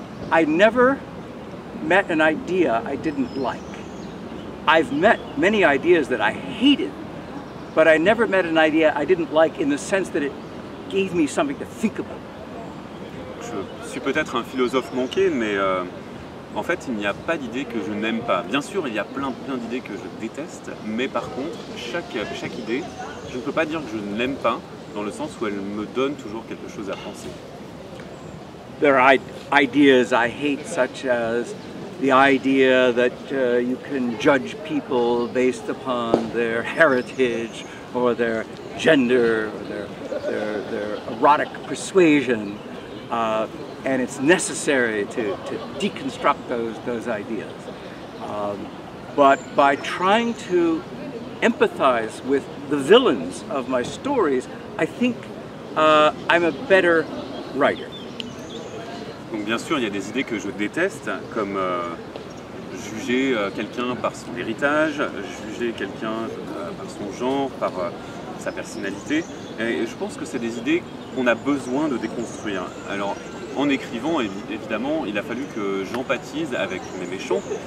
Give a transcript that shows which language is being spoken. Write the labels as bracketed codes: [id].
[en] I never met an idea I didn't like. I've met many ideas that I hated, but I never met an idea I didn't like in the sense that it gave me something to think about. [fr] Je suis peut-être un philosophe manqué, mais en fait, il n'y a pas d'idée que je n'aime pas. Bien sûr, il y a plein d'idées que je déteste, mais par contre, chaque idée, je ne peux pas dire que je ne l'aime pas, dans le sens où elle me donne toujours quelque chose à penser. [en] There are ideas I hate, such as the idea that you can judge people based upon their heritage or their gender or their erotic persuasion, and it's necessary to deconstruct those ideas. But by trying to empathize with the villains of my stories, I think I'm a better writer. [fr] Donc bien sûr, il y a des idées que je déteste, comme juger quelqu'un par son héritage, juger quelqu'un par son genre, par sa personnalité. Et je pense que c'est des idées qu'on a besoin de déconstruire. Alors, en écrivant, évidemment, il a fallu que j'empathise avec mes méchants.